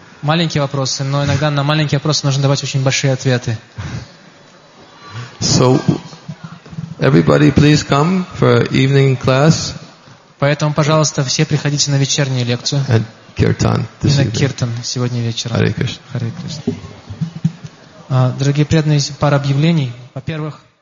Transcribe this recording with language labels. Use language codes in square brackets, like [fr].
[ru] Маленькие вопросы, но иногда на маленькие вопросы нужно давать очень большие ответы. [en] So everybody, please come for evening class. [ru] Поэтому, пожалуйста, все приходите на вечернюю лекцию. [en] And kirtan this evening. [ru] На киртан сегодня вечером. [en] Hare Krishna. [ru] Дорогие преданные, пара объявлений. Во-первых.